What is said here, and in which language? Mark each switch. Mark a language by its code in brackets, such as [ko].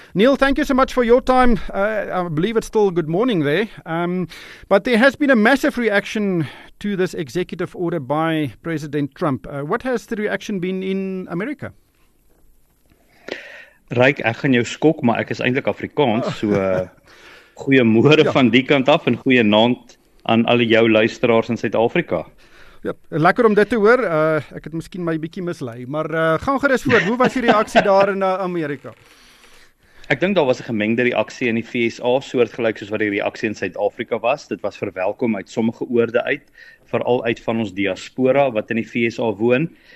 [en] Neil, thank you so much for your time. I believe it's still good morning there. But there has been a massive reaction to this executive order by President Trump. What has the reaction been in America? [af] Ryk, ek gaan jou skok, maar ek is eintlik Afrikaans, so goeie môre van die kant af en goeie aand aan al jou luisteraars in Suid-Afrika. Ja, lekker om dit te hoor. Ek het miskien my bietjie mislei, maar gaan gerus voort. Hoe was die reaksie daar in Amerika? Ek dink daar was 'n gemengde reaksie in die VSA, soortgelyk soos wat die reaksie in Suid-Afrika was. Dit was verwelkom uit sommige oorde uit, veral uit van ons diaspora wat in die VSA woon.